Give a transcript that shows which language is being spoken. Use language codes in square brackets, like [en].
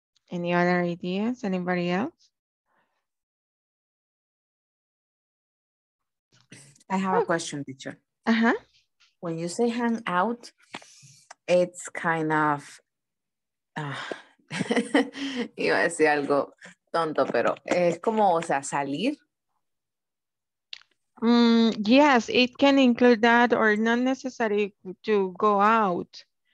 [en] Any other ideas? Anybody else? I have a question, teacher. Uh-huh. When you say hang out, it's kind of... [es] iba a decir algo tonto, pero es como, o sea, salir. [en] Yes, it can include that or not necessary to go out.